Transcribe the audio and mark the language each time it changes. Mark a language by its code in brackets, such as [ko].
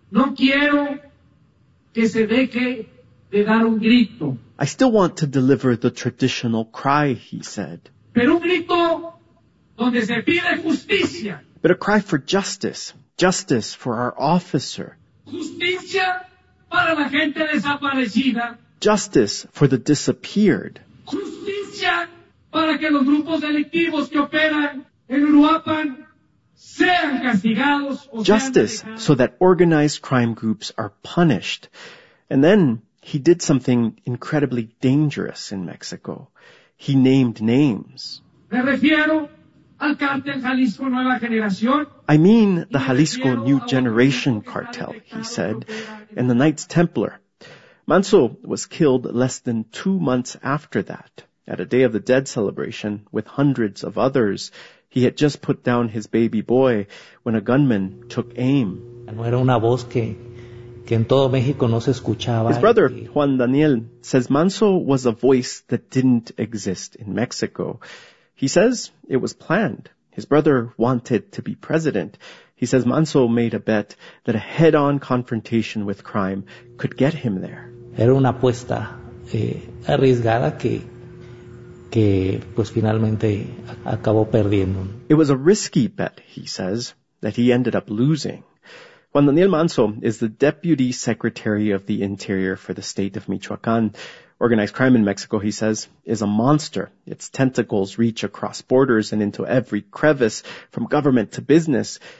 [es] No quiero que se deje de dar un grito. [en] I still want to deliver the traditional cry, he said. [es] Pero un grito donde se pide justicia. [en] But a cry for justice. Justice for our officer. [es] Justicia para la gente desaparecida. [en] Justice for the disappeared. [es] Justicia para que los grupos delictivos que operan en Uruapan sean castigados. [en] Justice so that organized crime groups are punished. And then he did something incredibly dangerous in Mexico. He named names. [es] Me refiero al cartel Jalisco Nueva Generación. [en] I mean the Jalisco New Generation cartel, he said, and the Knights Templar. Manso was killed less than 2 months after that. At a Day of the Dead celebration, with hundreds of others, he had just put down his baby boy when a gunman took aim. His brother, Juan Daniel, says Manso was a voice that didn't exist in Mexico. He says it was planned. His brother wanted to be president. He says Manso made a bet that a head-on confrontation with crime could get him there. [es] Era una apuesta arriesgada que pues finalmente acabó perdiendo. [en] It was a risky bet, he says, that he ended up losing. Juan Daniel Manso is the Deputy Secretary of the Interior for the state of Michoacán. Organized crime in Mexico, he says, is a monster. Its tentacles reach across borders and into every crevice, from government to business.